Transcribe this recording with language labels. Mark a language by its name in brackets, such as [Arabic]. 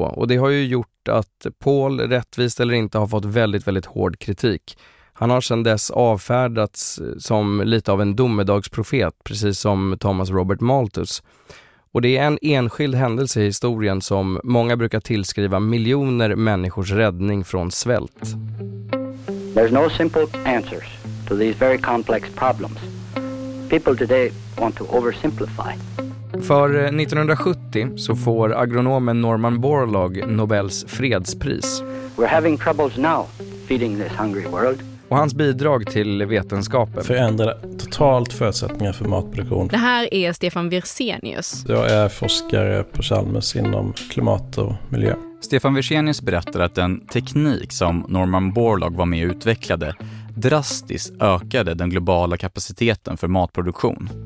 [Swedish] Och det har ju gjort att Paul, rättvist eller inte, har fått väldigt, väldigt hård kritik. Han har sedan dess avfärdats som lite av en domedagsprofet, precis som Thomas Robert Malthus. Och det är en enskild händelse i historien som många brukar tillskriva miljoner människors räddning från svält. [English] There's no simple answers to these very complex problems. People today want to oversimplify. [Swedish] För 1970 så får agronomen Norman Borlaug Nobels fredspris. [English] We're having troubles now feeding this hungry world. [Swedish] Och hans bidrag till vetenskapen förändrar totalt förutsättningar för matproduktion. Det här är Stefan Wirsenius. Jag är forskare på Chalmers inom klimat och miljö. Stefan Wirsenius berättar att den teknik som Norman Borlaug var med och utvecklade drastiskt ökade den globala kapaciteten för matproduktion.